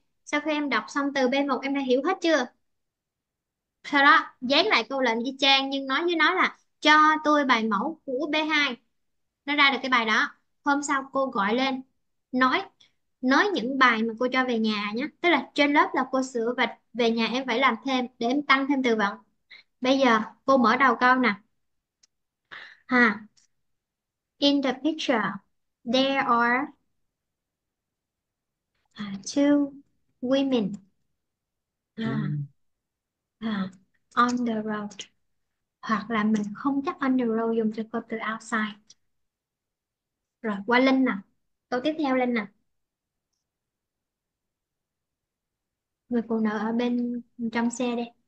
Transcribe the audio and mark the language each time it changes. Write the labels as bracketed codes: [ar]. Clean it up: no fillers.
[vi] Sau khi em đọc xong từ B1 em đã hiểu hết chưa? Sau đó dán lại câu lệnh y chang nhưng nói với nó là cho tôi bài mẫu của B2. Nó ra được cái bài đó. Hôm sau cô gọi lên nói những bài mà cô cho về nhà nhé. Tức là trên lớp là cô sửa và về nhà em phải làm thêm để em tăng thêm từ vựng. Bây giờ cô mở đầu câu nè. [en] In the picture, there are two women on the road. [vi] Hoặc là mình không chắc [en] on the road, [vi] dùng cho câu từ outside. Rồi, qua Linh nè. Câu tiếp theo Linh nè. Người phụ nữ ở bên trong xe đi.